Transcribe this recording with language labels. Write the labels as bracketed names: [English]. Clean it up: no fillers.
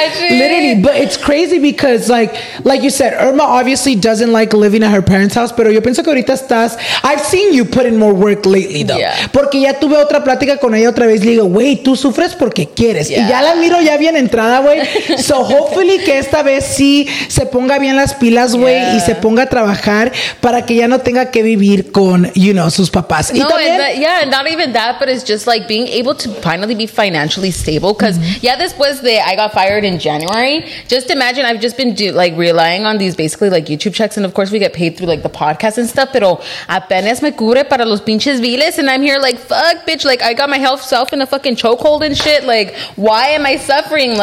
[English] Literally, but it's crazy because like you said, Irma obviously doesn't like living at her parents' house, pero yo pienso que ahorita estás, I've seen you put in more work lately though. Yeah. [Spanish] Porque ya tuve otra plática con ella otra vez, le digo, wey, tú sufres porque quieres. Yeah. Y ya la miro ya bien entrada, wey. So hopefully que esta vez sí se ponga bien las pilas, wey, y se ponga a trabajar para que ya no tenga que vivir con, you know, sus papás. No, y también, [English] not even that, but it's just like being able to finally be financially stable. Because this was I got fired in January. Just imagine, I've just been relying on these basically like YouTube checks, and of course we get paid through like the podcast and stuff, pero apenas me cure para los pinches viles, and I'm here like, fuck bitch, like, I got myself in a fucking chokehold and shit, like, why am I suffering?